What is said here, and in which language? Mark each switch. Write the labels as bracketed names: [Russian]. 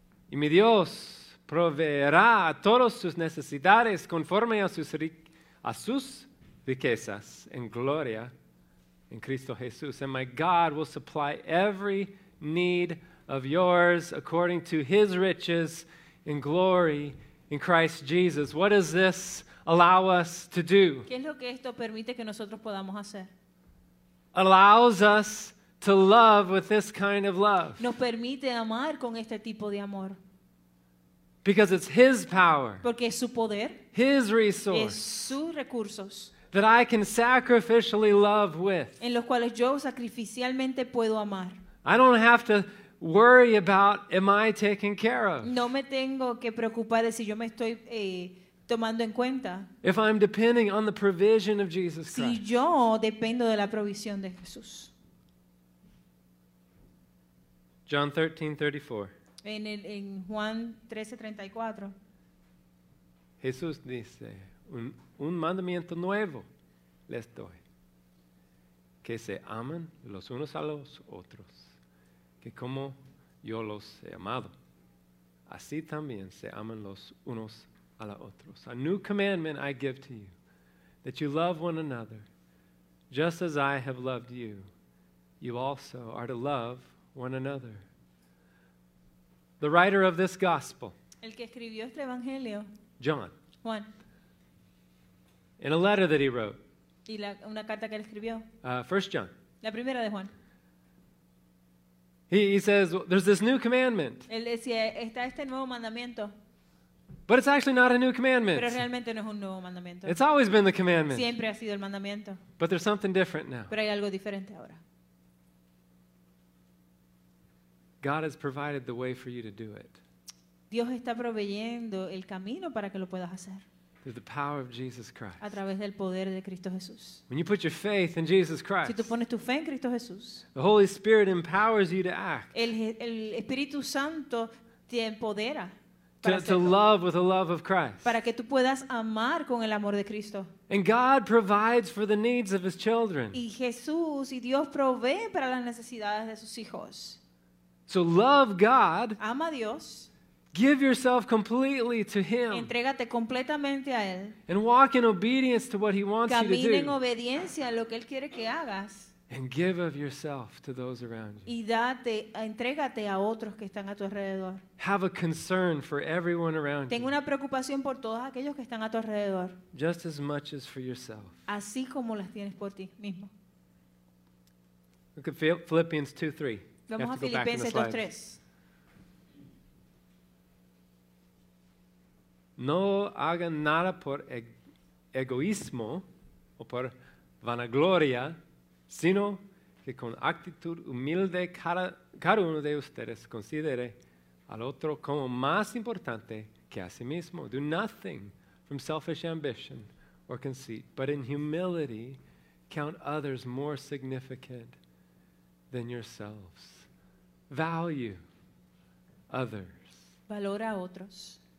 [Spanish] Y mi Dios proveerá a todos sus necesidades conforme a sus riquezas en gloria en Cristo Jesús. [English] And my God will supply every need of yours according to his riches in glory in Christ Jesus. What does this allow us to do? [Spanish] ¿Qué es lo que esto permite que nosotros podamos hacer? [English] Allows us to love with this kind of love. [Spanish] Nos permite amar con este tipo de amor. [English] Because it's his power. [Spanish] Porque es su poder. [English] His resource. [Spanish] Es sus recursos. [English] That I can sacrificially love with. [Spanish] En los cuales yo sacrificialmente puedo amar. [English] I don't have to worry about am I taken care of. [Spanish] No me tengo que preocupar de si yo me estoy tomando en cuenta. [English] If I'm depending on the provision of Jesus Christ. [Spanish] Si yo dependo de la provisión de Jesús. [English] John 13:34. [Spanish] En Juan 13:34. Jesús dice, un mandamiento nuevo les doy. Que se amen los unos a los otros. Que como yo los he amado, así también se amen los unos a los otros. [English] A new commandment I give to you, that you love one another, just as I have loved you, you also are to love one another. The writer of this gospel, [Spanish] el que escribió este evangelio, [English] John, [Spanish] Juan, [English] in a letter that he wrote, [Spanish] y la, una carta que él escribió, [English] 1 John, [Spanish] la primera de Juan, [English] he says, well, there's this new commandment. [Spanish] Él decía, está este nuevo mandamiento. [English] But it's actually not a new commandment. [Spanish] Pero realmente no es un nuevo mandamiento. [English] It's always been the commandment. [Spanish] Siempre ha sido el mandamiento. [English] But there's something different now. [Spanish] Pero hay algo diferente ahora. [English] God has provided the way for you to do it. [Spanish] Dios está proveyendo el camino para que lo puedas hacer. [English] Through the power of Jesus Christ. [Spanish] A través del poder de Cristo Jesús. [English] When you put your faith in Jesus Christ. [Spanish] Si tú pones tu fe en Cristo Jesús. [English] The Holy Spirit empowers you to act. [Spanish] El Espíritu Santo te empodera. [English] To love with the love of Christ. [Spanish] Para que tú puedas amar con el amor de Cristo. [English] And God provides for the needs of his children. [Spanish] Y Jesús y Dios provee para las necesidades de sus hijos. [English] So love God. [Spanish] Ama a Dios. [English] Give yourself completely to him. [Spanish] Entrégate completamente a él. [English] And walk in obedience to what he wants [Spanish] Camine [English] you to do. [Spanish] En obediencia a lo que él quiere que hagas. [English] And give of yourself to those around you. [Spanish] Y date, entrégate a otros que están a tu alrededor. [English] Have a concern for everyone around you. [Spanish] Ten una preocupación por todos aquellos que están a tu alrededor. [English] Just as much as for yourself. [Spanish] Así como las tienes por ti mismo. [English] Look at Philippians 2:3. [Spanish] Vamos a Filipenses 2:3. No hagan nada por egoísmo o por vanagloria, sino que con actitud humilde cada uno de ustedes considere al otro como más importante que a sí mismo. [English] Do nothing from selfish ambition or conceit, but in humility count others more significant than yourselves. Value others. [Spanish] Valora a otros.